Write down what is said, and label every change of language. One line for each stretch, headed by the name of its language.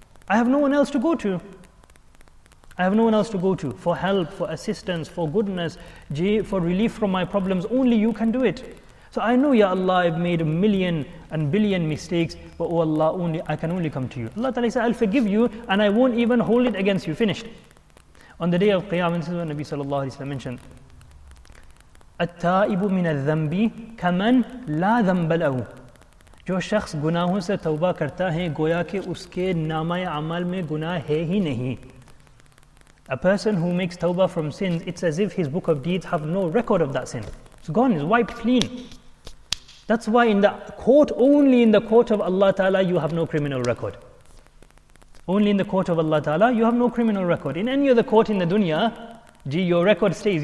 English: I have no one else to go to. I have no one else to go to for help, for assistance, for goodness, for relief from my problems. Only you can do it. So I know, Ya Allah, I've made a million and billion mistakes, but oh Allah, only I can only come to you. Allah Ta'ala said, I'll forgive you and I won't even hold it against you. Finished. On the day of Qiyamah, this is what Nabi Sallallahu Alaihi Wasallam mentioned.
Arabic: التائبُ من الذنبِ كمن لا ذنب له.
Urdu: جو شخص گناہوں سے توبہ کرتا ہے گویا کہ اس کے نامہ عمل میں گناہ ہے ہی نہیں.
English: A person who makes توبہ from sins, it's as if his book of deeds have no record of that sin. It's gone, it's wiped clean. That's why in the court, only in the court of Allah Ta'ala, you have no criminal record. Only in the court of Allah Ta'ala, you have no criminal record. In any other court in the dunya, gee, your record stays.